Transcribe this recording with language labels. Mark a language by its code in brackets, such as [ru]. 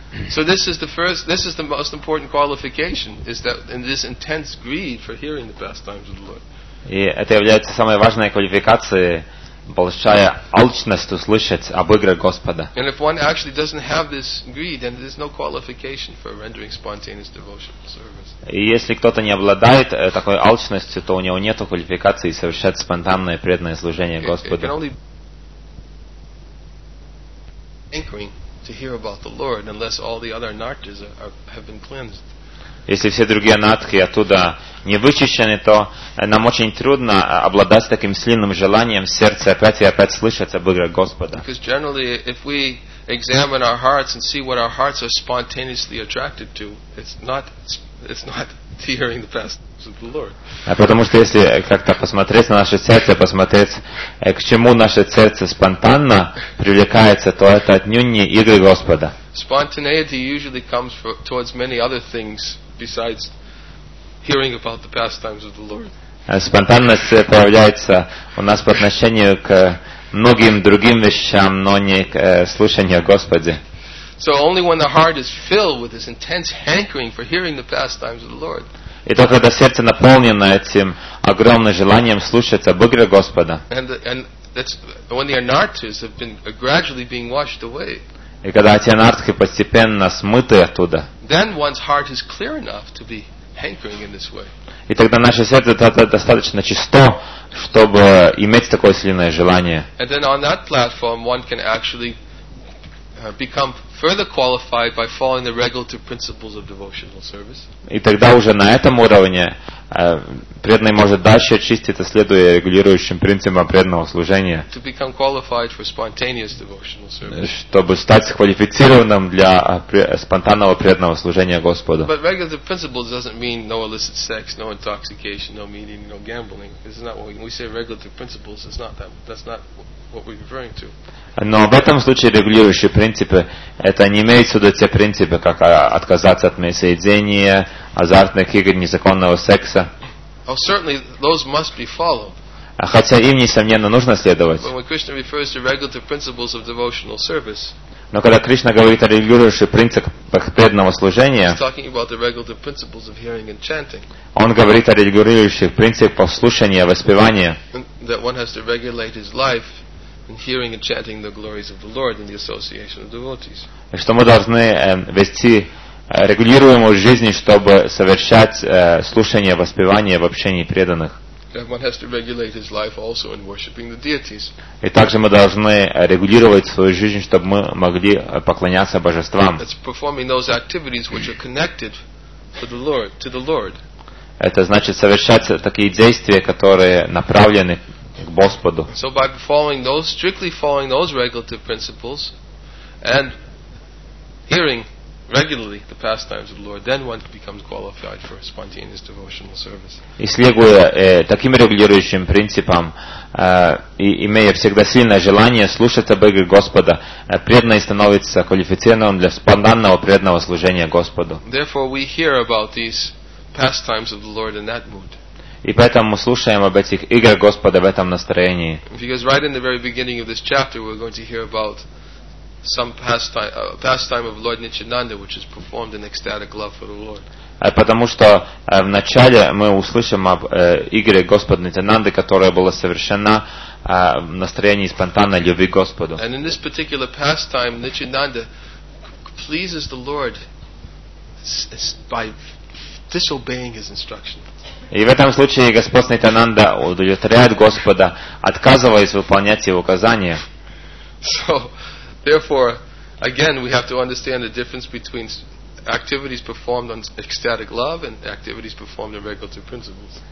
[en] So this is the most important qualification is that in this intense greed for hearing the pastimes of the Lord. [ru] И это является самой важной квалификацией. Большая алчность услышать об игре Господа. [en] And if one actually doesn't have this greed, then there's no qualification for rendering spontaneous devotional service. [ru] И если кто-то не обладает такой алчностью, то у него нет квалификации совершать спонтанное преданное служение Господу. [en] It can only be anchoring to hear about the Lord unless all the other nartas have been cleansed. [ru] Если все другие натхи оттуда не вычищены, то нам очень трудно обладать таким сильным желанием в сердце опять и опять слышать об игре Господа. [en] Because generally, if we examine our hearts and see what our hearts are spontaneously attracted to, it's not to hearing the pastimes of the Lord. [ru] Потому что если как-то посмотреть на наше сердце, посмотреть, к чему наше сердце спонтанно привлекается, то это отнюдь не игры Господа. [en] Spontaneity usually comes towards many other things. Besides hearing about the pastimes of the Lord. [ru] Спонтанность проявляется у нас по отношению к многим другим вещам, но не к слушанию о Господе. [en] So only when the heart is filled with this intense hankering for hearing the pastimes of the Lord. [ru] И только когда сердце наполнено этим огромным желанием слушать об игре Господа. [en] And that's when the anarthas have been gradually being washed away. [ru] И когда эти анартхи постепенно смыты оттуда. [en] Then one's heart is clear enough to be hankering in this way. [ru] И тогда наше сердце достаточно чисто, чтобы иметь такое сильное желание. [en] And then on that platform, one can actually become further qualified by following the regulative principles of devotional service. [ru] И тогда уже на этом уровне преданный может дальше очиститься, следуя регулирующим принципам преданного служения. [en] To become qualified for spontaneous devotional service. [ru] Чтобы стать квалифицированным для спонтанного преданного служения Господу. [en] But regulative principles doesn't mean no illicit sex, no intoxication, no meeting, no gambling. This is not what we say regulative principles. It's not that. That's not what we're referring to. [ru] Но в этом случае регулирующие принципы это не имеет в виду те принципы, как отказаться от мясоедения, азартных игр, незаконного секса. [en] certainly those must be followed. [ru] Хотя им, несомненно, нужно следовать. [en] But when Krishna refers to regulative principles of devotional service, [ru] но когда Кришна говорит о регулирующих принципах преданного служения, [en] he's talking about the regulative principles of hearing and chanting. [ru] Он говорит о регулирующих принципах слушания, воспевания. [en] That one has to regulate his life in hearing and chanting the glories of the Lord in the association of devotees. [ru] И что мы должны вести регулируемую жизнь, чтобы совершать слушание, воспевание в общении преданных. [en] One has to regulate his life also in worshiping the deities. [ru] И также мы должны регулировать свою жизнь, чтобы мы могли поклоняться божествам. [en] That's performing those activities which are connected to the Lord. [ru] Это значит совершать такие действия, которые направлены к Господу. [en] So by following those, strictly following those regulative principles, and hearing regularly the pastimes of the Lord, then one becomes qualified for spontaneous devotional service. [ru] И следуя таким регулирующим принципам, и имея всегда сильное желание слушать Бога Господа, преданный становится квалифицированным для спонтанного преданного служения Господу. [en] Therefore, we hear about these pastimes of the Lord in that mood. [ru] И поэтому мы слушаем об этих играх Господа в этом настроении. [en] Because right in the very beginning of this chapter, we're going to hear about some pastime of Lord Nityananda, which is performed in ecstatic love for the Lord. [ru] Потому что в начале мы услышим об игре Господа Нитянанды, которая была совершена в настроении спонтанной любви к Господу. [en] And in this particular pastime, Nityananda pleases the Lord by disobeying his instructions. [ru] И в этом случае Господь Нитянанда удовлетворяет Господа, отказываясь выполнять его указания. [en] So, therefore, again, we have to understand the difference between activities performed on ecstatic love and activities performed on regulative principles.